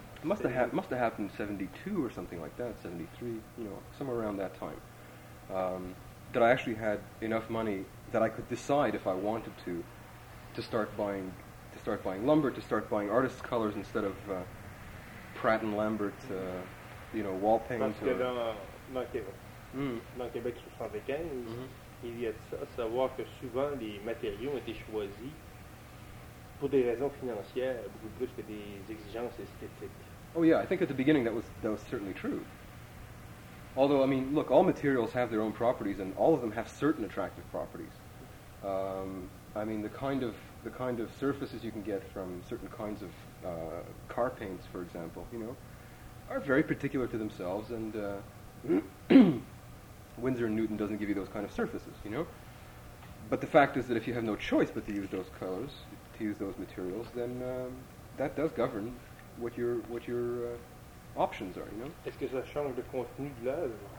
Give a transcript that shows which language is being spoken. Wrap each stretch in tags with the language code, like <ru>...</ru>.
<en>must have happened 72 or something like that, 73, you know, somewhere around that time, that I actually had enough money that I could decide if I wanted to start buying lumber, to start buying artists' colors instead of Pratt and Lambert, you know, wall paint.</en> <fr>Parce que dans Québec 75, il y a de ça, savoir que souvent les matériaux ont été choisis pour des raisons financières beaucoup plus que des exigences esthétiques.</fr> <en>Oh yeah, I think at the beginning that was certainly true. Although, I mean, look, all materials have their own properties, and all of them have certain attractive properties. I mean, the kind of surfaces you can get from certain kinds of car paints, for example, you know, are very particular to themselves, and Winsor & Newton doesn't give you those kind of surfaces, you know. But the fact is that if you have no choice but to use those colors, to use those materials, then that does govern what your options are, you know.</en> <fr>Est-ce que ça change le contenu de l'œuvre?</fr>